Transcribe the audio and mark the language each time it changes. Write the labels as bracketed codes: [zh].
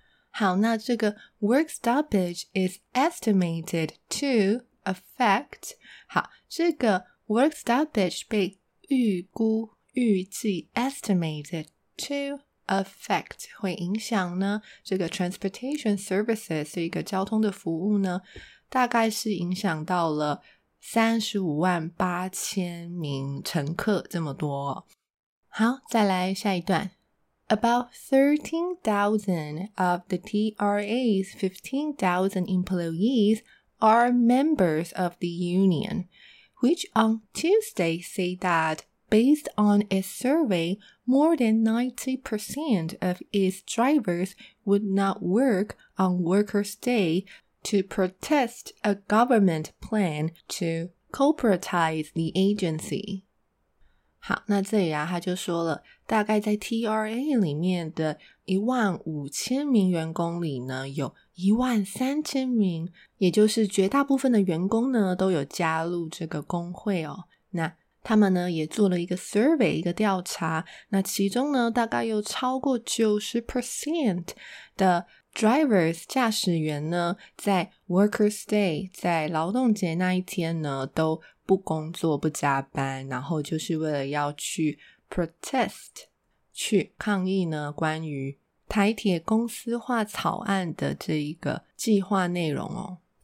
[zh] 好，那这个 [en] work stoppage is estimated to affect， [zh] 好，这个 work stoppage 被预估预计 [en] estimated to affect [zh] 会影响呢，这个 [en] transportation services [zh] 是一个交通的服务呢，大概是影响到了358,000名乘客这么多。好，再来下一段。 [en] About 13,000 of the TRA's 15,000 employees are members of the union, which on Tuesday say that, based on a survey, more than 90% of its drivers would not work on Workers' Day to protest a government plan to corporatize the agency. [zh] 好，那这里啊，他就说了，大概在 TRA 里面的15,000名员工里呢，有13,000名，也就是绝大部分的员工呢，都有加入这个工会哦。那他们呢，也做了一个 survey， 一个调查，那其中呢，大概有超过 90% 的 drivers 驾驶员呢，在 Workers' Day， 在劳动节那一天呢，都不工作不加班，然后就是为了要去 protest 去抗议呢关于台铁公司化草案的这一个计划内容哦。